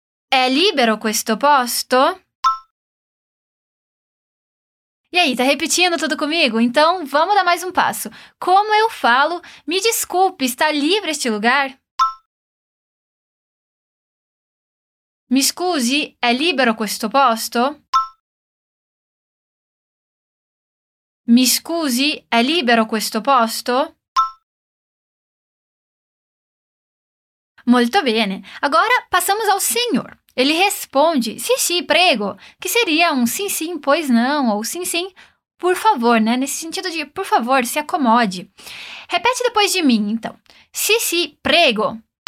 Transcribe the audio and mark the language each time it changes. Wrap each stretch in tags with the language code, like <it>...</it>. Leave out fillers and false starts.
<it>É libero questo posto?</it> <pt>E aí, tá repetindo tudo comigo? Então, vamos dar mais um passo. Como eu falo, me desculpe, está livre este lugar?</pt> <it>Mi scusi, è libero questo posto? Mi scusi, è libero questo posto? Molto bene.</it> <pt>Agora, passamos ao senhor. Ele responde, sim, sim, prego, que seria um sim, sim, pois não, ou sim, sim, por favor, né? Nesse sentido de, por favor, se acomode. Repete depois de mim, então. Sim, sim, prego.</pt>